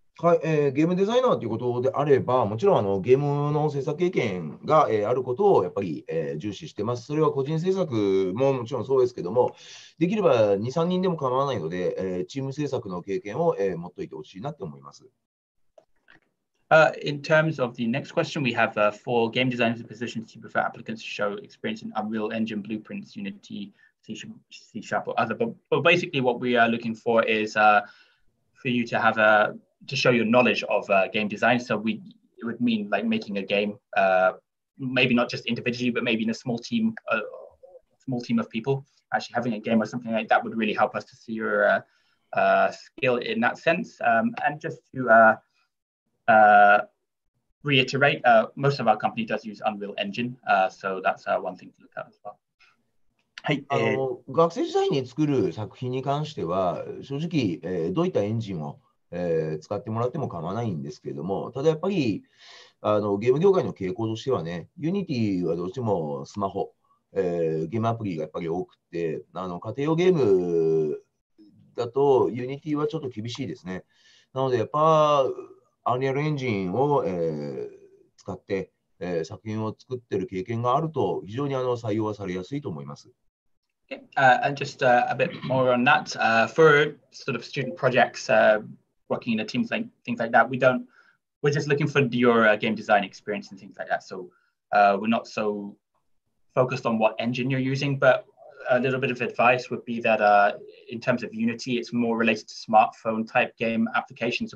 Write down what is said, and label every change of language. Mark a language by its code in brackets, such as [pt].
[ja] はい、ゲームデザイナーということであれば、もちろんゲームの制作経験が、あることをやっぱり、重視してます。それは個人制作ももちろんそうですけども、できれば2、3人でも構わないので、チーム制作の経験を、持っておいてほしいなって思います。 [en] In terms of the next question, we have for game designers and positions, you prefer applicants to show experience in Unreal Engine, Blueprints, Unity, C# or other. But basically, what we are looking for is for you to have a to show your knowledge of game design. So it would mean like making a game, maybe not just individually, but maybe in a small team of people. Actually, having a game or something like that would really help us to see your skill in that sense. And just to reiterate, most of our company does use Unreal Engine, so that's one thing to look at as well. [ja] はい、学生時代に作る作品に関しては、正直、どういったエンジンを、使ってもらっても構わないんですけれども、ただやっぱり、ゲーム業界の傾向としてはね、ユニティはどうしてもスマホ、ゲームアプリがやっぱり多くて、家庭用ゲームだとユニティはちょっと厳しいですね。なので、やっぱ、アンリアルエンジンを、使って、作品を作ってる経験があると、非常に採用はされやすいと思います。 [en] And just a bit more on that. For sort of student projects, working in a team, things like that, we're just looking for your game design experience and things like that. So we're not so focused on what engine you're using, but a little bit of advice would be that in terms of Unity, it's more related to smartphone type game applications.